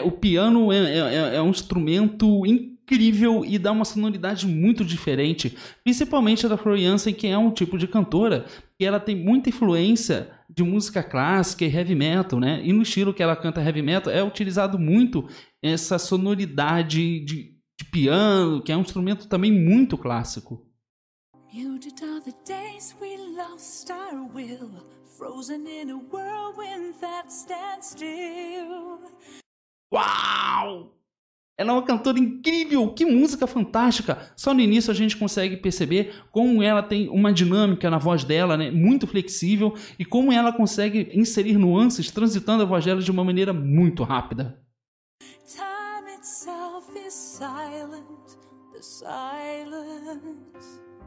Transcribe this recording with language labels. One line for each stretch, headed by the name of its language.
Portuguese: O piano é um instrumento incrível e dá uma sonoridade muito diferente, principalmente da Florianse, que é um tipo de cantora que ela tem muita influência de música clássica e heavy metal, né? E no estilo que ela canta heavy metal é utilizado muito essa sonoridade de piano, que é um instrumento também muito clássico.
English: Muted are the days we lost our will. Frozen in a whirlwind that stands still.
Portuguese: Uau! Ela é uma cantora incrível! Que música fantástica! Só no início a gente consegue perceber como ela tem uma dinâmica na voz dela, né? Muito flexível, e como ela consegue inserir nuances transitando a voz dela de uma maneira muito rápida.
English: Time itself is silent, the silence.